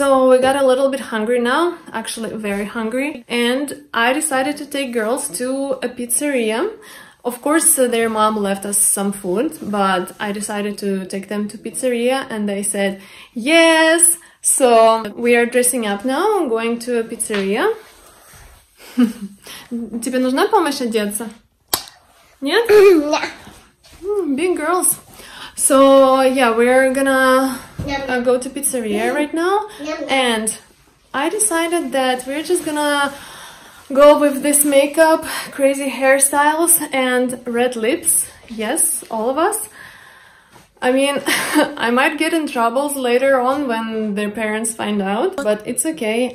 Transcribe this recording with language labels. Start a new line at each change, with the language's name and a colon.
English: We got a little bit hungry now, actually very hungry, and I decided to take girls to a pizzeria. Of course, their mom left us some food, but I decided to take them to pizzeria and they said yes. So we are dressing up now, going to a pizzeria.
Russian: Тебе нужна помощь одеться? Нет? Нет.
English: Big girls. So yeah, we're gonna go to pizzeria right now, and I decided that we're just gonna go with this makeup, crazy hairstyles, and red lips. Yes, all of us. I mean, I might get in troubles later on when their parents find out, but it's okay.